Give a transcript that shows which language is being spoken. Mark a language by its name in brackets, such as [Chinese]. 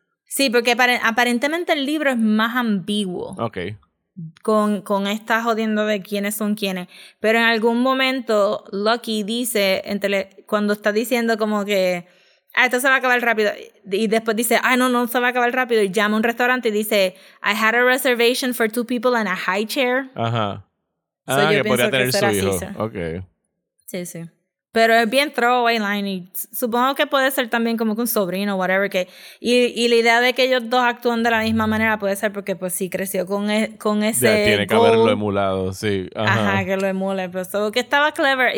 [Spanish] Sí, porque aparentemente el libro es más ambiguo. Ok. Con esta jodiendo de quiénes son quiénes. Pero en algún momento, Lucky dice, cuando está diciendo como que... Ah, esto se va a acabar rápido. Y después dice, ah, no, se va a acabar rápido. Y llama a un restaurante y dice, [English] I had a reservation for two people and a high chair. [Spanish] Ajá. Que podría tener su hijo. Ok. Sí, sí. Pero es bien [English] throwaway line [Spanish] y supongo que puede ser también como con sobrino o [English] whatever. [Spanish] Y la idea de que ellos dos actúen de la misma manera puede ser porque pues sí creció con ese ya, tiene que [English] goal. [Spanish] Haberlo emulado, sí. Ajá, que lo emule. Pero solo que estaba clever.